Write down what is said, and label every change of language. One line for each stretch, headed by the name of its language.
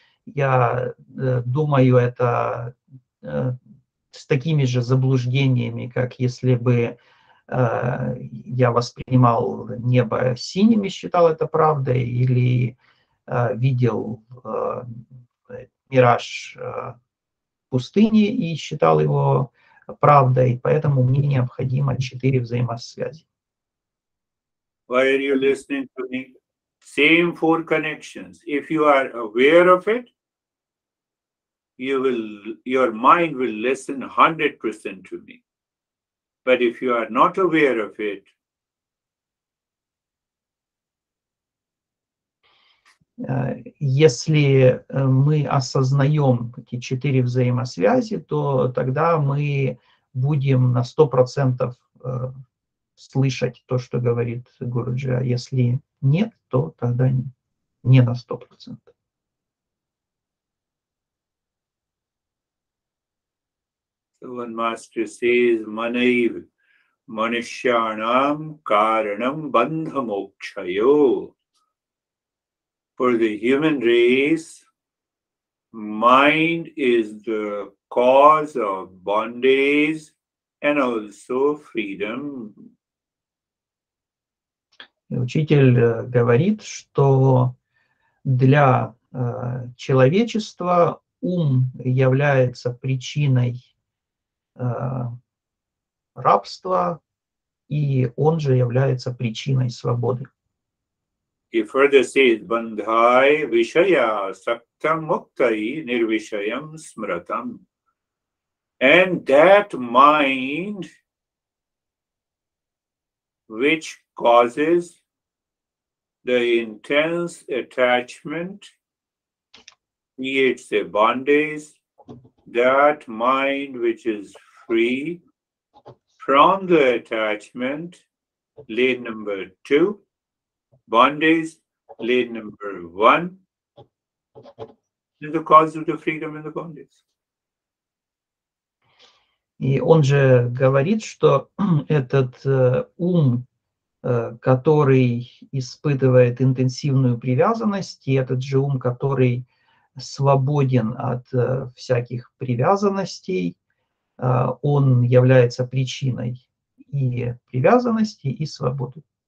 Russian: Я думаю, это с такими же заблуждениями, как если бы я воспринимал небо синим и считал это правдой, или видел мираж пустыни и считал его правдой. Поэтому мне необходимо четыре взаимосвязи.
English: Why are you listening to me? Same four connections. If you are aware of it, your mind will listen 100% to me. But if you are not aware of it,
Russian: если мы осознаем эти четыре взаимосвязи, то тогда мы будем на 100% слышать то, что говорит Гуруджи. А если нет, то тогда не на 100%.
English: One master says,
Sanskrit: manaiv manishyanam karanam bandhamokshayo.
English: For the human race, mind is the cause of bondage and also freedom.
Russian: Учитель говорит, что для человечества ум является причиной рабства, и он же является причиной свободы.
English: He further says,
Sanskrit: bandhai vishaya saktam muktai nirvishayam smratam.
English: And that mind which causes the intense attachment creates a bondage, that mind which is free from the attachment, lane number two, bondage, lane number one, is the cause of the freedom and the bondage.
Russian: И он же говорит, что этот ум, который испытывает интенсивную привязанность, и этот же ум, который свободен от всяких привязанностей, он является причиной и привязанности, и свободы.